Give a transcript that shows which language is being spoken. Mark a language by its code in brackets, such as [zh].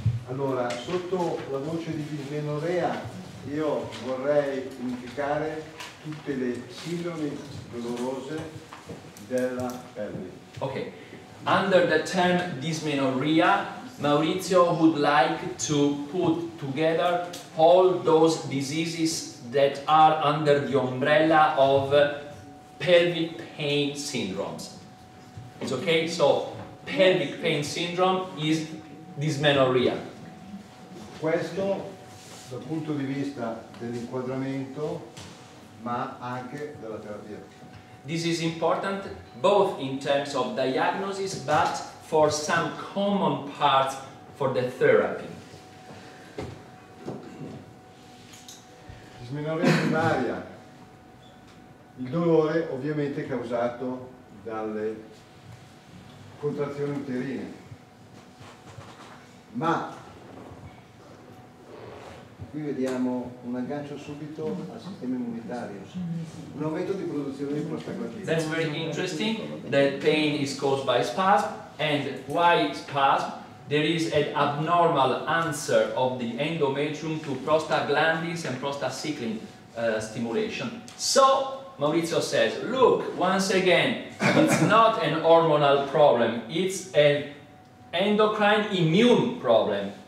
[it] Allora, sotto la voce di dismenorrea, io vorrei indicare tutte le sindrome dolorose della pelle. [en] Okay. Under the term dismenorrea, Maurizio would like to put together all those diseases that are under the umbrella of pelvic pain syndromes. It's okay? So, pelvic pain syndrome is dysmenorrhea. [it] Questo, dal punto di vista dell'inquadramento, ma anche della terapia. [en] This is important both in terms of diagnosis, but for some common parts for the therapy. [it] Dismenorrea primaria. Il dolore ovviamente causato dalle contrazioni uterine. Ma qui vediamo un aggancio subito al sistema immunitario, un aumento di produzione di prostaglandine. [en] That's very interesting that pain is caused by spasm, and why spasm? There is an abnormal answer of the endometrium to prostaglandins and prostacyclin stimulation. So Maurizio says, look, once again, it's not an hormonal problem, it's an endocrine immune problem.